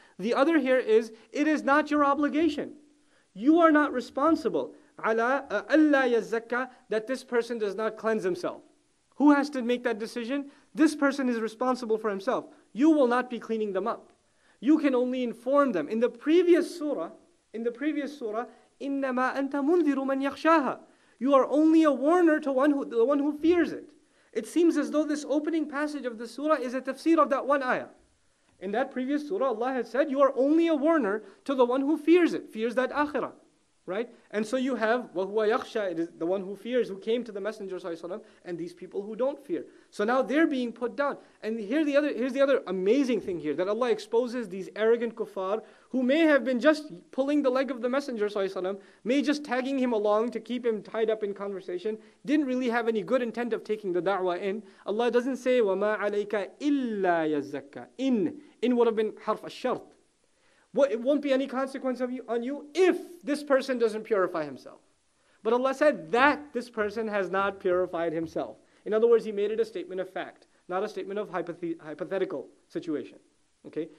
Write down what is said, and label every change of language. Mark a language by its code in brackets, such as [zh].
[en] The other here is, it is not your obligation. You are not responsible. Ala, Allah yazzakka, that this person does not cleanse himself. Who has to make that decision? This person is responsible for himself. You will not be cleaning them up. You can only inform them. In the previous surah, [ar] إِنَّمَا أَنْتَ مُنْذِرُ مَنْ يَخْشَاهَا. [en] You are only a warner to the one who fears it. It seems as though this opening passage of the surah is a tafsir of that one ayah. In that previous surah, Allah had said, you are only a warner to the one who fears it, fears that akhirah. Right? And so you have, [ar] وَهُوَ يَخْشَى, [en] it is the one who fears, who came to the Messenger, and these people who don't fear. So now they're being put down. And here's the other amazing thing here, that Allah exposes these arrogant kuffar who may have been just pulling the leg of the Messenger, may just tagging him along to keep him tied up in conversation, didn't really have any good intent of taking the da'wah in. Allah doesn't say, [ar] وَمَا عَلَيْكَ إِلَّا يَزَّكَّى. [en] In would have been harf al-shart. It won't be any consequence of you, on you if this person doesn't purify himself. But Allah said that this person has not purified himself. In other words, He made it a statement of fact, not a statement of hypothetical situation. Okay.